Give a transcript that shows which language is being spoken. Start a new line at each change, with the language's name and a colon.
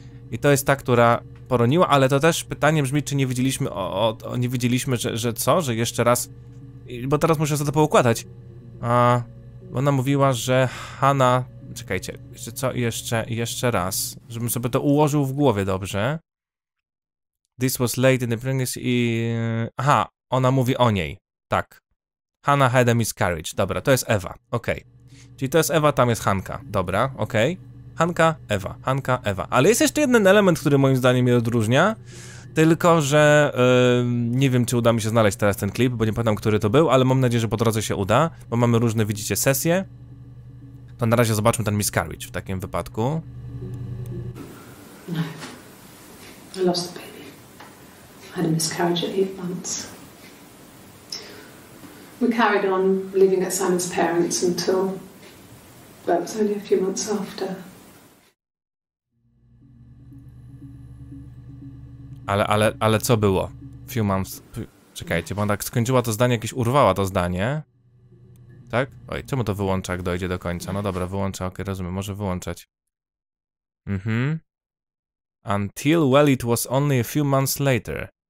Polish: I to jest ta, która poroniła, ale to też pytanie brzmi, czy nie widzieliśmy, nie widzieliśmy, że co, że jeszcze raz, bo teraz muszę sobie to poukładać, a... Ona mówiła, że Hannah... Czekajcie, jeszcze co? Jeszcze raz. Żebym sobie to ułożył w głowie dobrze.
English: This was late in the pregnancy
Polish: i... Aha, ona mówi o niej. Tak.
English: Hannah had a miscarriage.
Polish: Dobra, to jest Ewa. Okej. Okay. Czyli to jest Ewa, tam jest Hanka. Dobra, okej. Okay. Hanka, Ewa. Hanka, Ewa. Ale jest jeszcze jeden element, który moim zdaniem je odróżnia. Tylko, że nie wiem, czy uda mi się znaleźć teraz ten klip, bo nie pamiętam, który to był, ale mam nadzieję, że po drodze się uda, bo mamy różne, widzicie, sesje. To na razie zobaczmy ten miscarriage w takim wypadku.
English: No. I lost the baby. I had a miscarriage at 8 months. We carried on living at Simon's parents until... But it was only a few months after.
Polish: Ale co było?
English: Few months...
Polish: Czekajcie, bo ona tak skończyła to zdanie, jakieś urwała to zdanie. Tak? Oj, czemu to wyłącza, jak dojdzie do końca? No dobra, wyłącza, okej, rozumiem, może wyłączać. Mhm.
English: Until, well, it was only a few months later.